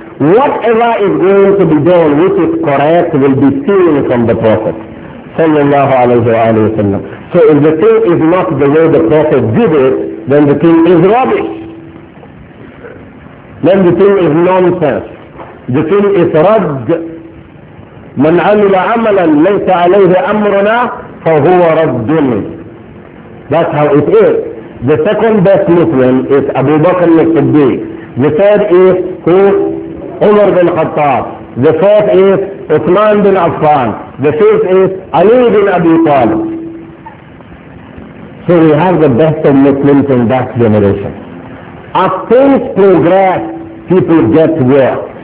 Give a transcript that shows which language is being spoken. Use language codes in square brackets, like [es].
[en] Whatever is going to be done, which is correct, will be seen from the Prophet sallallahu alayhi wa sallam. So if the thing is not the way the Prophet did it, then the thing is rubbish. Then the thing is nonsense. The thing is رد. [ar] من عمل عملا ليس عليه أمرنا فهو رد. [en] That's how it is. The second best Muslim is Abu Bakr al-Siddiq. The third is who? Umar bin Khattab. The fourth is Uthman bin Affan. The fifth is Ali bin Abi Talib. So we have the best of Muslims in that generation. As things progress, people get worse.